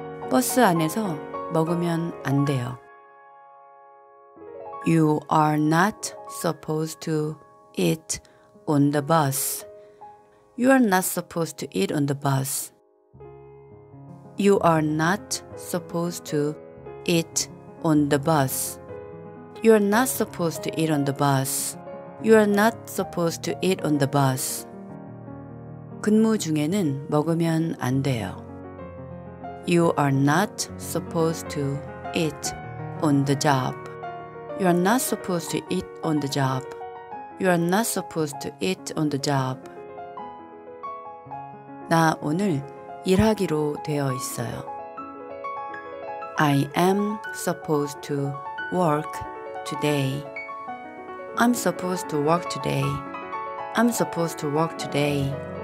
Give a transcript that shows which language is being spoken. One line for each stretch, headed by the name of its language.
Korean: 버스 안에서 먹으면 안 돼요.
English: You are not supposed to eat on the bus. You are not supposed to eat on the bus. You are not supposed to eat on the bus. You are not supposed to eat on the bus. You are not supposed to eat on the bus.
Korean: 근무 중에는 먹으면 안 돼요.
English: You are not supposed to eat on the job. You are not supposed to eat on the job. You are not supposed to eat on the job.
Korean: 나 오늘 일하기로 되어 있어요.
English: I am supposed to work today. I'm supposed to work today. I'm supposed to work today.